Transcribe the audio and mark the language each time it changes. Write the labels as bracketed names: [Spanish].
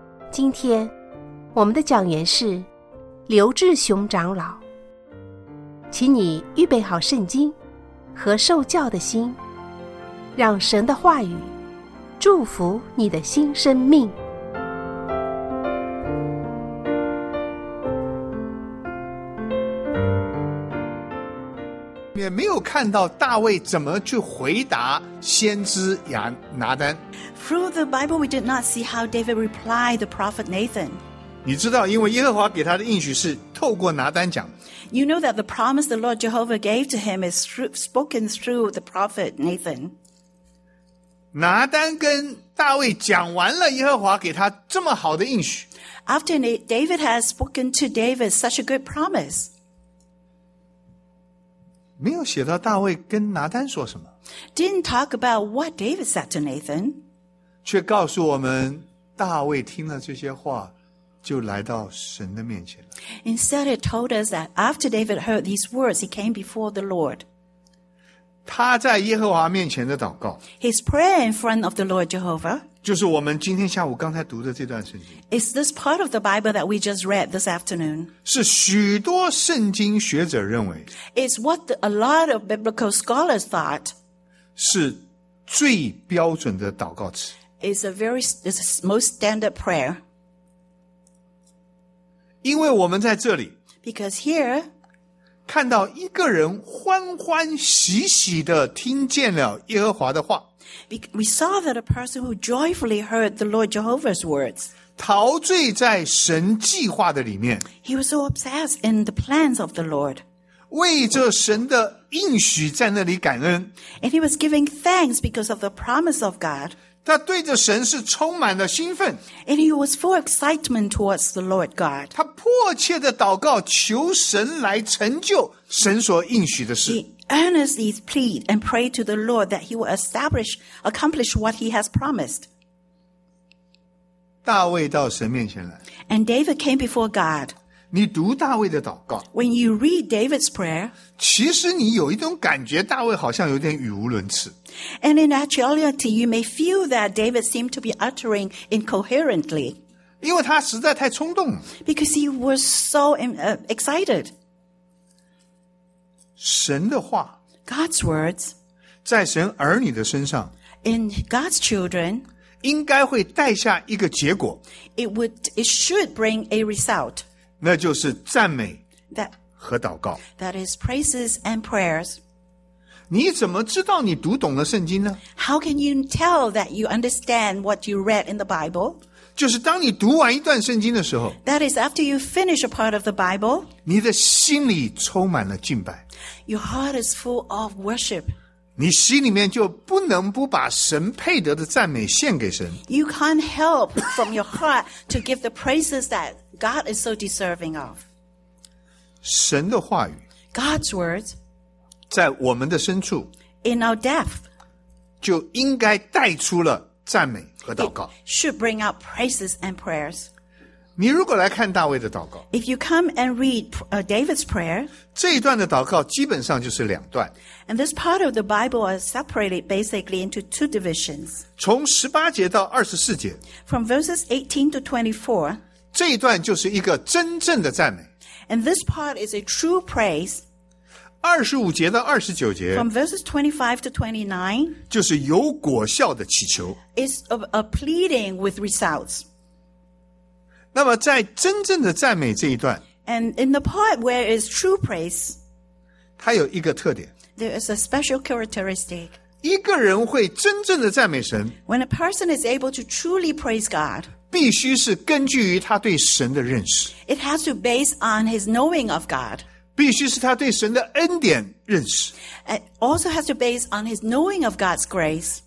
[Chinese] 今天我们的讲员是刘志雄长老，请你预备好圣经和受教的心，让神的话语祝福你的新生命。也没有看到大卫怎么去回答先知亚拿单。 [English] Through the Bible, we did not see how David replied the prophet Nathan. [Chinese] 你知道，因为耶和华给他的应许是透过拿单讲。 [English] You know that the promise the Lord Jehovah gave to him is spoken through the prophet Nathan. [Chinese] 拿单跟大卫讲完了耶和华给他这么好的应许。 [English] After David has spoken to David such a good promise. [Chinese] 没有写到大卫跟拿单说什么。 [English] Didn't talk about what David said to Nathan. [Chinese] 却告诉我们大卫听了这些话就来到神的面前了。 [English] Instead, it told us that after David heard these words, he came before the Lord. [Chinese] 他在耶和华面前的祷告。 [English] His prayer in front of the Lord Jehovah. [Chinese] 就是我们今天下午刚才读的这段圣经。 [English] It's this part of the Bible that we just read this afternoon. [Chinese] 是许多圣经学者认为。 [English] It's what a lot of biblical scholars thought. [Chinese] 是最标准的祷告词。 [English] It's a very, it's a most standard prayer. [Chinese] 因为我们在这里。 [English] Because here, [Chinese] 看到一个人欢欢喜喜地听见了耶和华的话。 [English] We saw that a person who joyfully heard the Lord Jehovah's words. [Chinese] 陶醉在神计划的里面。 [English] He was so obsessed in the plans of the Lord. [Chinese] 为这神的应许在那里感恩。 [English] And he was giving thanks because of the promise of God. [Chinese] 他对着神是充满了兴奋。 [English] And he was full excitement towards the Lord God. [Chinese] 他迫切的祷告求神来成就神所应许的事。 [English] Earnestly plead and pray to the Lord that he will accomplish what he has promised. [Chinese] 大卫到神面前来。 [English] And David came before God. [Chinese] 你读大卫的祷告。 [English] When you read David's prayer, [Chinese] 其实你有一种感觉大卫好像有点语无伦次。 [English] And in actuality, you may feel that David seemed to be uttering incoherently. [Chinese] 因为他实在太冲动了。 [English] Because he was so excited. [Chinese] 神的话 [English] God's words [Chinese] 在神儿女的身上 [English] in God's children [Chinese] 应该会带下一个结果 [English] it should bring a result [Chinese] 那就是赞美和祷告 [English] that is praises and prayers [Chinese] 你怎么知道你读懂了圣经呢 [English] How can you tell that you understand what you read in the Bible? [Chinese] 就是当你读完一段圣经的时候 [English] That is after you finish a part of the Bible [Chinese] 你的心里充满了敬拜 [English] Your heart is full of worship [Chinese] 你心里面就不能不把神配得的赞美献给神 [English] You can't help from your heart to give the praises that God is so deserving of [Chinese] 神的话语 [English] God's words [Chinese] 在我们的深处 [English] In our depth [Chinese] 就应该带出了赞美 [English] It should bring out praises and prayers. [Chinese] 你如果来看大卫的祷告 [English] If you come and read David's prayer, [Chinese] 这一段的祷告基本上就是两段 [English] And this part of the Bible is separated basically into two divisions. [Chinese] 从18节到24节 [English] From verses 18 to 24, [Chinese] 这一段就是一个真正的赞美 [English] And this part is a true praise. [Chinese] 25节到29节 [English] From verses 25 to 29 [Chinese] 就是有果效的祈求 [English] is a pleading with results [Chinese] 那么在真正的赞美这一段 [English] And in the part where is true praise [Chinese] 它有一个特点 [English] There is a special characteristic [Chinese] 一个人会真正的赞美神 [English] When a person is able to truly praise God [Chinese] 必须是根据于他对神的认识 [English] It has to base on his knowing of God [Chinese] 必须是他对神的恩典认识。 [English] It also has to base on his knowing of God's grace.